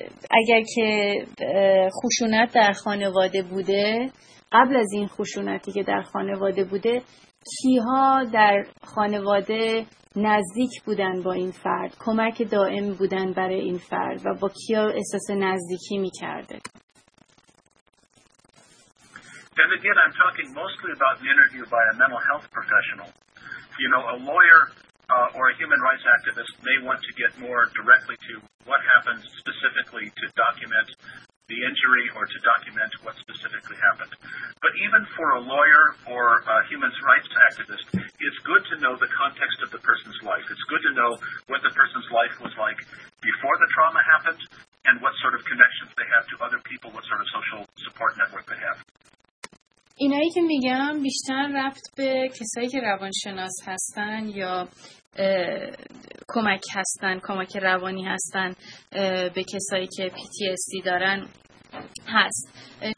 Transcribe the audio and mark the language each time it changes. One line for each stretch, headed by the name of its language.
Persian: اگر که خشونت در خانواده بوده، قبل از این خشونتی که در خانواده بوده، کیها در خانواده نزدیک بودن با این فرد، کمک دائم بودن برای این فرد و با کیها احساس نزدیکی می‌کرده.
English: And again, I'm talking mostly about an interview by a mental health professional. You know, a lawyer or a human rights activist may want to get more directly to what happened specifically to document the injury or to document what specifically happened. But even for a lawyer or a human rights activist, it's good to know the context of the person's life. It's good to know what the person's life was like before the trauma happened and what sort of connections they have to other people, what sort of social support network they have.
Persian: اینایی که میگم بیشتر رفت به کسایی که روانشناس هستن یا کمک هستن، کمک روانی هستن به کسایی که PTSD دارن هست.